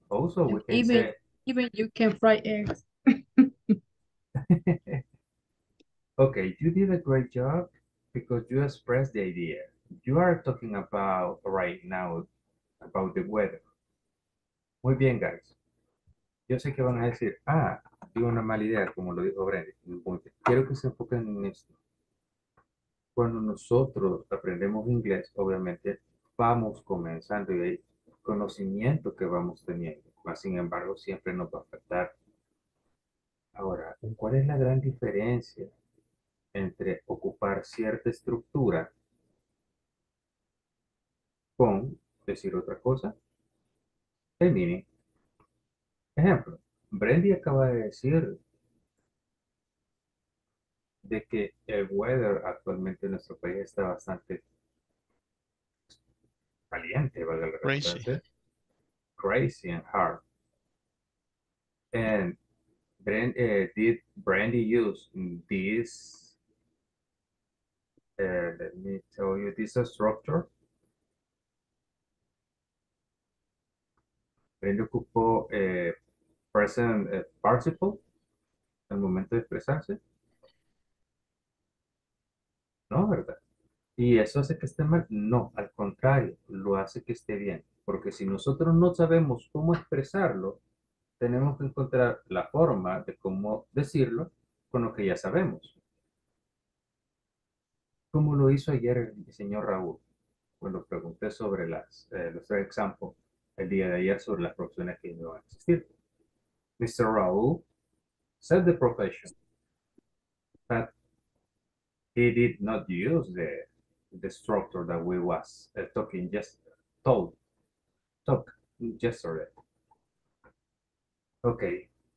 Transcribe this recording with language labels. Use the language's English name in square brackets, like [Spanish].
[English] Also, we can even say, even you can fry eggs. Okay, you did a great job because you expressed the idea. You are talking about right now about the weather. [Spanish] Muy bien, guys. Yo sé que van a decir, tengo una mala idea, como lo dijo Brandy. Quiero que se enfoquen en esto. Cuando nosotros aprendemos inglés, obviamente vamos comenzando y hay conocimiento que vamos teniendo. Sin embargo, siempre nos va a afectar. Ahora, ¿cuál es la gran diferencia entre ocupar cierta estructura con decir otra cosa? El meaning. Ejemplo, Brandy acaba de decir de que el weather actualmente en nuestro país está bastante caliente, valga la redundancia. [English] Crazy and hard. And did Brandy use this, let me tell you, this structure? [Spanish] Brandy ocupó present participle al momento de expresarse. No, ¿verdad? ¿Y eso hace que esté mal? No, al contrario, lo hace que esté bien. Porque si nosotros no sabemos cómo expresarlo, tenemos que encontrar la forma de cómo decirlo con lo que ya sabemos. Como lo hizo ayer el señor Raúl, cuando pregunté sobre los tres ejemplos el día de ayer sobre las profesiones que iban a existir. [English] Mr. Raúl said the profession, but he did not use the structure that we was talking just told. Talk just sorry. Okay.